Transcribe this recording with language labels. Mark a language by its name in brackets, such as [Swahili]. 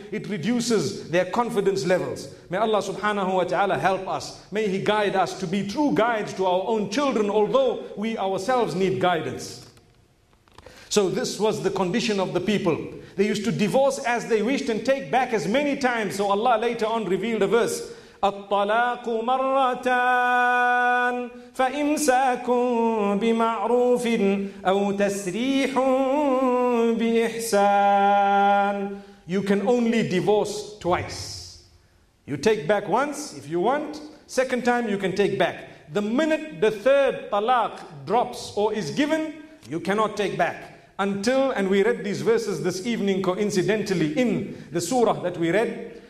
[English] It reduces their confidence levels. May Allah subhanahu wa ta'ala help us. May He guide us to be true guides to our own children, although we ourselves need guidance. So this was the condition of the people. They used to divorce as they wished and take back as many times. So Allah later on revealed a verse. [Arabic] الطلاقُ مرتان فإمساكٌ بمعروفٍ أو تسريحٌ بإحسان. [English] You can only divorce twice. You take back once if you want. Second time you can take back. The minute the third talaq drops or is given, you cannot take back. Until, and we read these verses this evening coincidentally in the surah that we read.